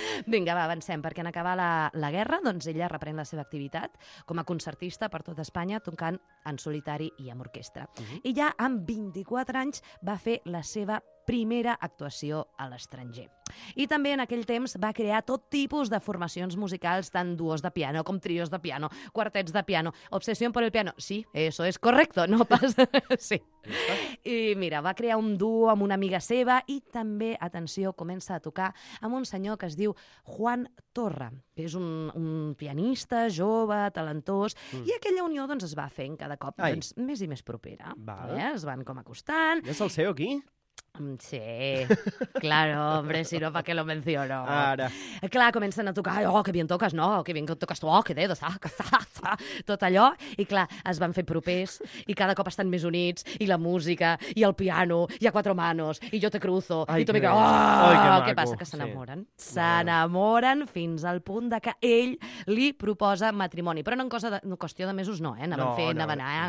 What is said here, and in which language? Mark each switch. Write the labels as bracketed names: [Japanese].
[Catalan] Vinga, va, avancem, perquè en acabar la guerra, doncs ella reprèn la seva activitat com a concertista per tot Espanya, tocant en solitari i amb orquestra. I ja amb 24 anys va fer la seva primera actuació a l'estranger. I també en aquell temps va crear tot tipus de formacions musicals, tant duos de piano com trios de piano, quartets de piano, obsessió por el piano. [Spanish] Sí, eso es correcto, [Catalan] no pas... [Spanish] Sí. [Catalan] I mira, va crear un duo amb una amiga seva i també, atenció, comença a tocar amb un senyor que es diu Juan Torra, que és un pianista jove, talentós, i aquella unió doncs, es va fent cada cop doncs, més i més propera. Es van com acostant... Ja se'l sé, aquí... [Spanish] Sí, claro, hombre, si no, ¿para qué lo menciono? [Catalan] Ara. Clar, comencen a tocar, [Spanish] oh, que bien toques, no, que bien toques tu, oh, que dedos, [Catalan] tot allò, i clar, es van fer propers, i cada cop estan més units, i la música, i el piano, i [Spanish] a quatre manos, i jo te cruzo, [Catalan] ai, i tu m'hi què passa, que s'enamoren. Sí. S'enamoren fins al punt de que ell li proposa matrimoni, però no en qüestió de mesos, no, anaven